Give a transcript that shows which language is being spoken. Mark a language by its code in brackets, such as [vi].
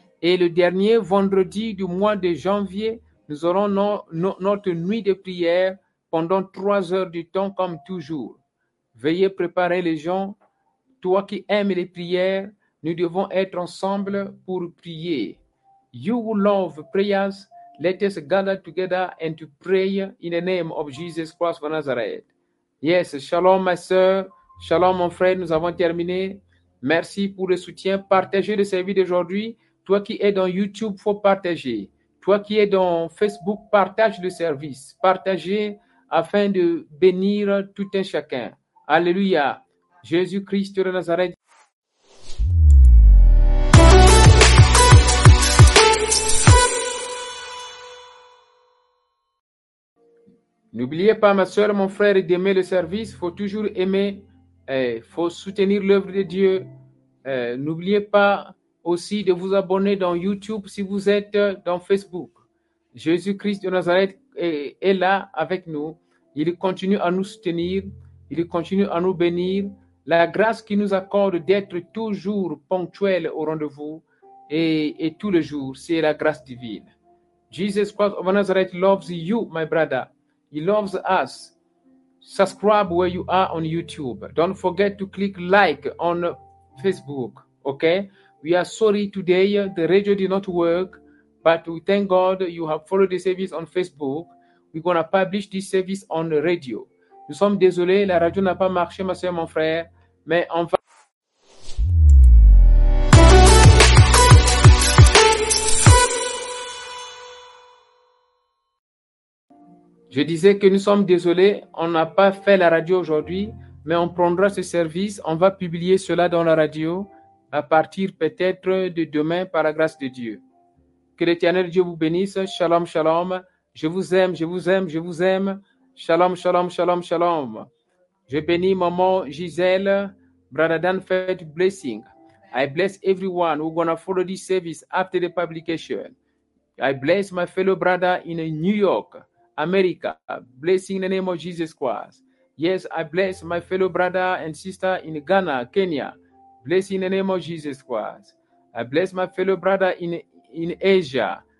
[fr] Et le dernier vendredi du mois de janvier, nous aurons notre nuit de prière pendant 3 heures du temps, comme toujours. Veuillez préparer les gens. Toi qui aimes les prières, nous devons être ensemble pour prier. [en] You who love prayers, let us gather together and to pray in the name of Jesus Christ of Nazareth. [fr] Yes, shalom ma soeur, shalom mon frère, nous avons terminé. Merci pour le soutien. Partagez le service d'aujourd'hui. Toi qui es dans YouTube, faut partager. Toi qui es dans Facebook, partage le service. Partagez afin de bénir tout un chacun. Alléluia. Jésus-Christ de Nazareth. N'oubliez pas, ma soeur, mon frère, d'aimer le service. Il faut toujours aimer. Faut soutenir l'œuvre de Dieu. N'oubliez pas aussi de vous abonner dans YouTube si vous êtes dans Facebook. Jésus-Christ de Nazareth est là avec nous. Il continue à nous soutenir. Il continue à nous bénir. La grâce qu'il nous accorde d'être toujours ponctuel au rendez-vous et tous les jours, c'est la grâce divine. [en] Jesus Christ of Nazareth loves you, my brother. He loves us. Subscribe where you are on YouTube. Don't forget to click like on Facebook. Okay? We are sorry today. The radio did not work. But we thank God you have followed the service on Facebook. We're going to publish this service on the radio. [fr] Nous sommes désolés, la radio n'a pas marché, ma soeur, mon frère, mais on va... Je disais que nous sommes désolés, on n'a pas fait la radio aujourd'hui, mais on prendra ce service, on va publier cela dans la radio à partir peut-être de demain par la grâce de Dieu. Que l'Éternel Dieu vous bénisse, shalom, shalom, je vous aime, je vous aime, je vous aime. Shalom, shalom, shalom, shalom. Je bénis maman Gisèle, [en] brother Dan, fait blessing. I bless everyone who gonna follow this service after the publication. I bless my fellow brother in New York, America. Blessing in the name of Jesus Christ. Yes, I bless my fellow brother and sister in Ghana, Kenya. Blessing in the name of Jesus Christ. I bless my fellow brother in Asia.